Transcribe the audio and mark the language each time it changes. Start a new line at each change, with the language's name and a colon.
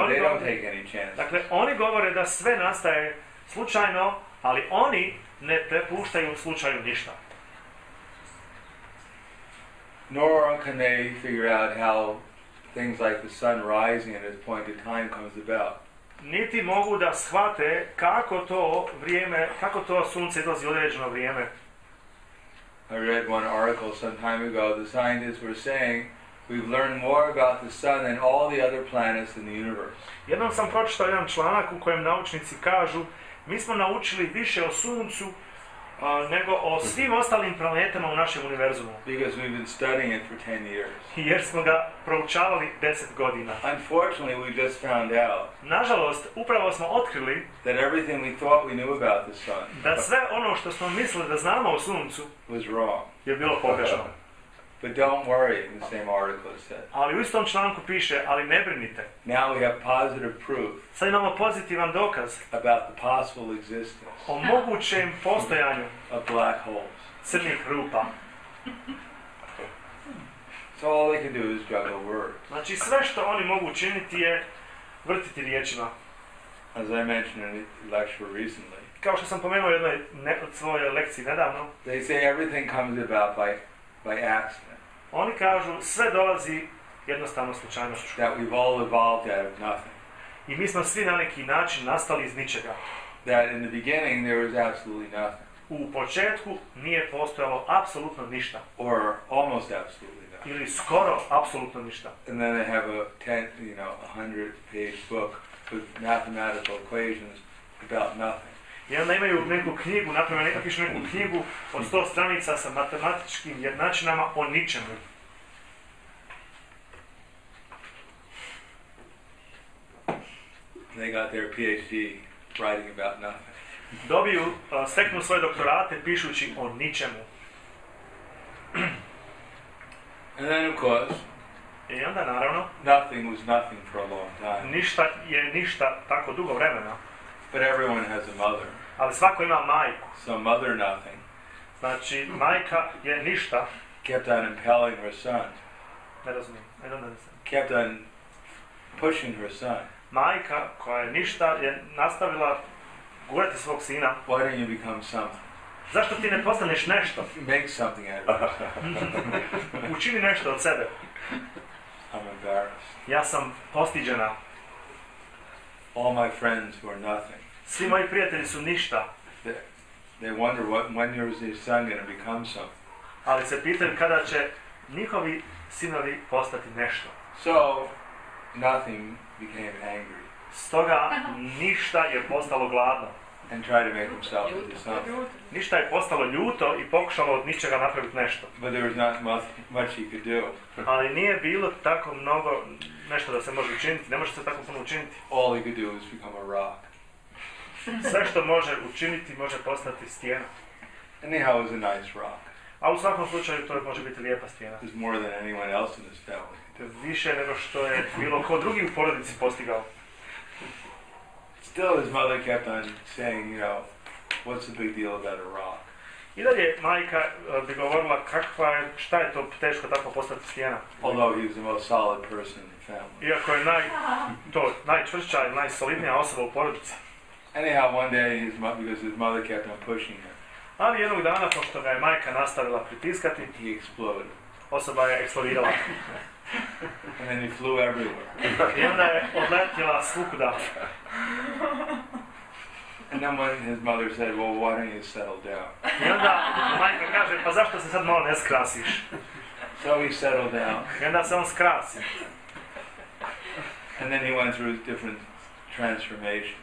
English: but they don't take any chances.
Bosnian: Dakle, oni govore da sve nastaje slučajno, ali oni ne prepuštaju slučaju ništa.
English: Nor can they figure out how things like the sun rising at a point in time comes about.
Bosnian: Niti mogu da shvate kako to vrijeme, kako to sunce izlazi u određeno vrijeme.
English: I read one article some time ago. The scientists were saying, we've learned more about the sun than all the other planets in the universe.
Bosnian: Jednom sam pročitao jedan članak u kojem naučnici kažu, mi smo naučili više o Suncu nego o svim ostalim planetama u našem univerzumu.
English: Because we've been studying it for 10 years.
Bosnian: Jer smo ga proučavali 10 godina.
English: Unfortunately, we just found out.
Bosnian: Nažalost, upravo smo otkrili
English: that everything we thought we knew about the sun.
Bosnian: Da sve ono što smo mislili da znamo o Suncu
English: was wrong.
Bosnian: Je bilo pogrešno.
English: But don't worry, in the same article it said.
Bosnian: Ali u istom članku piše, ali ne brinite.
English: Now we have positive proof.
Bosnian: Sad imamo pozitivan dokaz.
English: About the possible existence.
Bosnian: O mogućem postojanju.
English: Of black holes.
Bosnian: Crnih rupa.
English: So all they can do is juggle words.
Bosnian: Znači sve što oni mogu učiniti je vrtiti riječima.
English: As I mentioned in a lecture recently.
Bosnian: Kao što sam pomenuo jednoj svojoj lekciji nedavno.
English: They say everything comes about by accident.
Bosnian: Oni kažu sve dolazi jednostavno slučajnošću.
English: That we've all evolved out of nothing.
Bosnian: I mi smo svi na neki način nastali iz ničega.
English: That in the beginning there was absolutely nothing.
Bosnian: U početku nije postojalo apsolutno ništa.
English: Or almost absolutely nothing.
Bosnian: Ili skoro apsolutno ništa.
English: And then they have a 100 page book with mathematical equations about nothing.
Bosnian: I onda imaju neku knjigu, naprimjer neka piše neku knjigu od 100 stranica sa matematičkim jednačinama o ničemu.
English: They got their PhD writing about nothing.
Bosnian: Dobiju, steknu svoje doktorate pišući o ničemu.
English: And then of course,
Bosnian: i onda naravno,
English: nothing was nothing for a long time.
Bosnian: Ništa je ništa tako dugo vremena.
English: But everyone has a mother.
Bosnian: Ali svako ima majku.
English: So mother nothing.
Bosnian: Znači, majka je ništa.
English: Kept on impelling her son.
Bosnian: Ne razumijem.
English: I don't understand. Kept on pushing her son.
Bosnian: Majka koja je ništa je nastavila gurati svog sina.
English: Why don't you become something?
Bosnian: Zašto ti ne postaneš nešto?
English: Make something out of yourself.
Bosnian: Učini nešto od sebe.
English: I'm embarrassed.
Bosnian: Ja sam postiđena.
English: All my friends were nothing.
Bosnian: Svi moji prijatelji su ništa.
English: They wonder when your son gonna become something.
Bosnian: Ali se pitam kada će njihovi sinovi postati nešto.
English: So nothing became angry.
Bosnian: Stoga ništa je postalo gladno.
English: And tried to make himself into something.
Bosnian: Ništa je postalo ljuto i pokušalo od ničega napraviti nešto.
English: But there was not much he could do.
Bosnian: Ali nije bilo tako mnogo nešto da se može učiniti. Ne može se tako puno učiniti.
English: All he could do is become a rock.
Bosnian: Sve što može učiniti, može postati stjena.
English: Anyhow, it's a nice rock.
Bosnian: A u svakom slučaju, to može biti lijepa stjena.
English: It's more than anyone else in his family.
Bosnian: Više nego što je bilo ko drugi u porodici postigao.
English: Still, his mother kept on saying, you know, what's the big deal about a rock?
Bosnian: I dalje majka bi govorila kakva je, šta je to teško tako postati stjena.
English: Although he was the most solid person in the family.
Bosnian: Iako je najčvršća i najsolidnija osoba u porodici.
English: Anyhow, one day because his mother kept on pushing him.
Bosnian: Ali jednog dana, pošto ga je majka nastavila pritiskati,
English: he exploded.
Bosnian: Osoba je eksplodirala.
English: And then he flew everywhere.
Bosnian: I onda je odletjela svukuda.
English: And then when his mother said, well, why don't you settle down?
Bosnian: I onda majka kaže, pa zašto se sad malo ne skrasiš?
English: So he settled down.
Bosnian: I onda se on skrasi.
English: And then he went through different transformations.